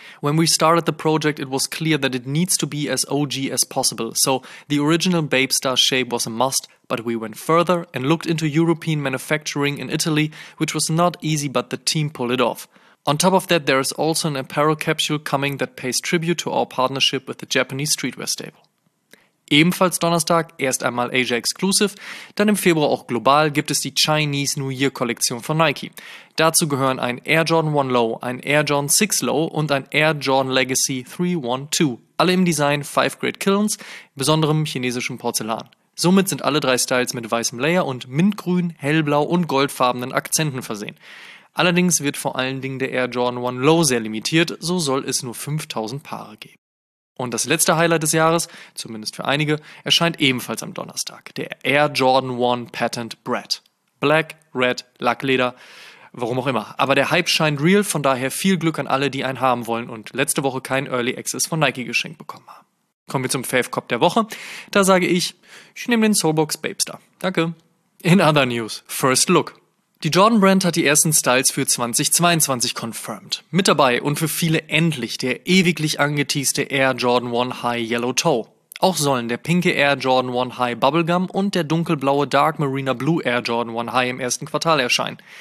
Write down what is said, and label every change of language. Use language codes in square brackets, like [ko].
[en] When we started the project, it was clear that it needs to be as OG as possible, so the original Babe Star shape was a must, but we went further and looked into European manufacturing in Italy, which was not easy, but the team pulled it off. On top of that, there is also an apparel capsule coming that pays tribute to our partnership with the Japanese streetwear stable." [de] Ebenfalls Donnerstag, erst einmal Asia Exclusive, dann im Februar auch global, gibt es die Chinese New Year Kollektion von Nike. Dazu gehören ein Air Jordan 1 Low, ein Air Jordan 6 Low und ein Air Jordan Legacy 312. Alle im Design 5 Great Kilns, besonderem chinesischem Porzellan. Somit sind alle 3 Styles mit weißem Layer und mintgrün, hellblau und goldfarbenen Akzenten versehen. Allerdings wird vor allen Dingen der Air Jordan 1 Low sehr limitiert, so soll es nur 5000 Paare geben. Und das letzte Highlight des Jahres, zumindest für einige, erscheint ebenfalls am Donnerstag. Der Air Jordan 1 Patent Brett. Black, Red, Lackleder, warum auch immer. Aber der Hype scheint real, von daher viel Glück an alle, die einen haben wollen und letzte Woche keinen Early Access von Nike geschenkt bekommen haben. Kommen wir zum Fave Cop der Woche. Da sage ich, ich nehme den Soulbox Babestar. Danke. [en] In other news, first look. [de] Die Jordan Brand hat die ersten Styles für 2022 confirmed. Mit dabei und für viele endlich der ewiglich angeteaste Air Jordan 1 High Yellow Toe. Auch sollen der pinke Air Jordan 1 High Bubblegum und der dunkelblaue Dark Marina Blue Air Jordan 1 High im ersten Quartal erscheinen.